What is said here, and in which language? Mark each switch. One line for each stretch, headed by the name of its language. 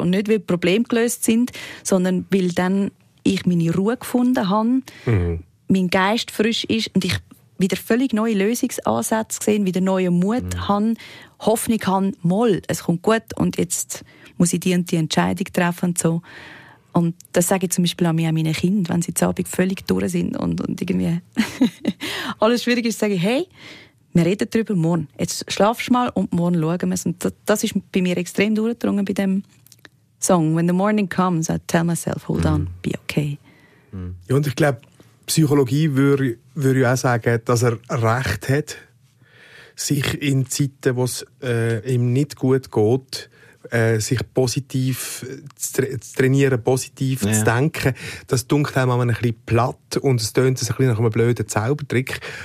German: Und nicht, weil die Probleme gelöst sind, sondern weil dann ich meine Ruhe gefunden habe, mein Geist frisch ist und ich wieder völlig neue Lösungsansätze gesehen, wieder neuen Mut haben, Hoffnung haben, mal, es kommt gut und jetzt muss ich die und die Entscheidung treffen und so. Und das sage ich zum Beispiel auch meinen Kindern, wenn sie zu Abend völlig durch sind und irgendwie alles schwierig ist, sage ich, hey, wir reden darüber morgen. Jetzt schlafst du mal und morgen schauen wir es. Und das ist bei mir extrem durchgedrungen bei dem Song.
English: When the morning comes, I tell myself, hold on, be okay.
German: Ja, und ich glaube, Psychologie würde auch sagen, dass er Recht hat, sich in Zeiten, wo es ihm nicht gut geht, sich positiv zu trainieren, positiv zu denken. Das klingt einem ein bisschen platt und es klingt ein bisschen nach einem blöden Zaubertrick.